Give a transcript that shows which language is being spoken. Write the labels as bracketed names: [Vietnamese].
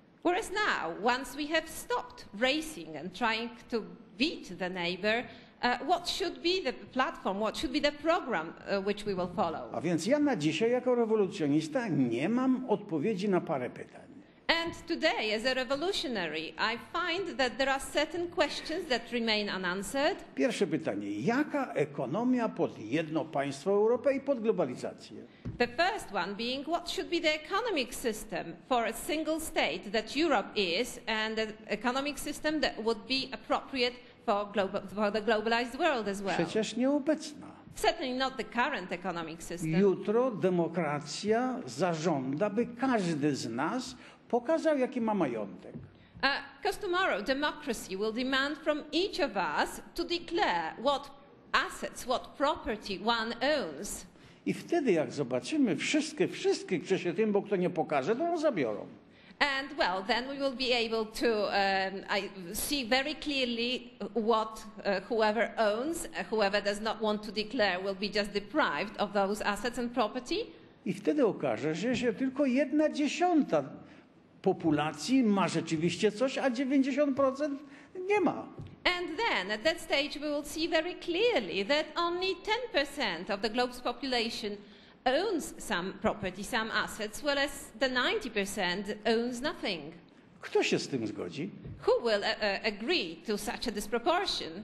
[English] Whereas now, once we have stopped racing and trying to beat the neighbor, what should be the platform, what should be the program which we will follow? [Polish] A więc ja na dzisiaj jako rewolucjonista nie mam odpowiedzi na parę pytań. [English] And today, as a revolutionary, I find that there are certain questions that remain unanswered. [Polish] Pierwsze pytanie. Jaka ekonomia pod jedno państwo Europy i pod globalizację? [English] The first one being, what should be the economic system for a single state that Europe is, and an economic system that would be appropriate for the globalized world as well? [Polish] Przecież nieobecna. [English] Certainly not the current economic system. [Polish] Jutro demokracja zażąda, by każdy z nas pokazał, jaki ma majątek. [English] Because tomorrow democracy will demand from each of us to declare what assets, what property one owns. [Polish] I wtedy, jak zobaczymy wszystkich, kto się tym, bo kto nie pokaże, to ją zabiorą. [English] And well, then we will be able to see very clearly what whoever owns, whoever does not want to declare, will be just deprived of those assets and property. [Polish] I wtedy okaże się, że tylko 1/10 populacji ma rzeczywiście coś, a 90% nie ma. [English] And then at that stage we will see very clearly that only 10% of the globe's population owns some property, some assets, whereas the 90% owns nothing. [Polish] Kto się z tym zgodzi? [English] Who will agree to such a disproportion?